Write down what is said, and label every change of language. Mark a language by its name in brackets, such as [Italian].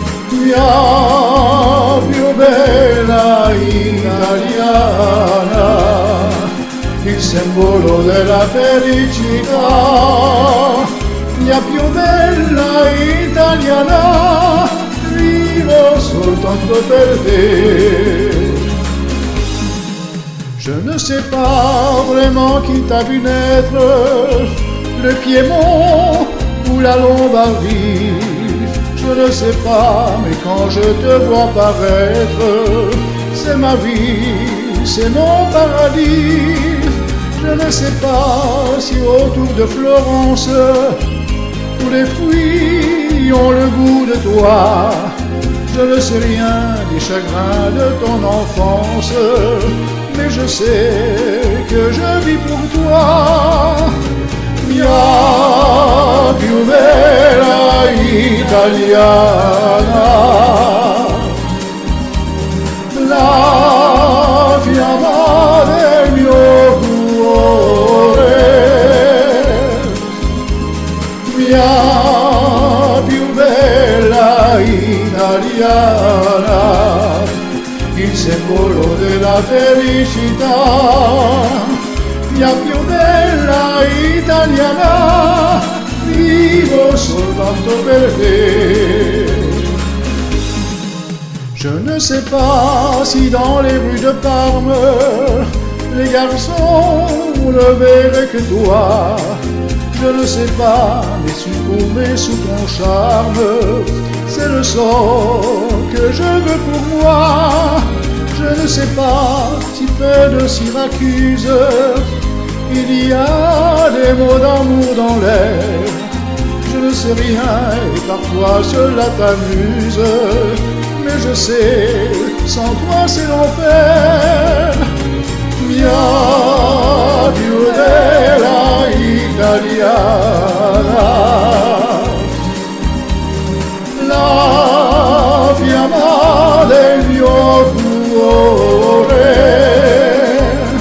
[Italian] Mia più bella italiana, il simbolo della felicità. Mia più bella italiana, vivo soltanto per te. [French] Je ne sais pas vraiment qui t'a vu naître, le Piémont ou la Lombardie. Je ne sais pas, mais quand je te vois paraître, c'est ma vie, c'est mon paradis. Je ne sais pas si autour de Florence tous les fruits ont le goût de toi. Je ne sais rien des chagrins de ton enfance, mais je sais que je vis pour toi. [Italian] Mia più bella italiana, la fiamma del mio cuore. Mia più bella italiana, il simbolo della felicità. Mia più bella italiana, vivo soltanto per te. [French] Je ne sais pas si dans les rues de Parme les garçons ont le verre que toi. Je ne sais pas, mais sous ton charme, c'est le sort que je veux pour moi. Je ne sais pas si près de Syracuse, il y a des mots d'amour dans l'air. Je ne sais rien et parfois cela t'amuse, mais je sais, sans toi c'est l'enfer. [Italian] Mia più bella italiana, la fiamma del mio cuore.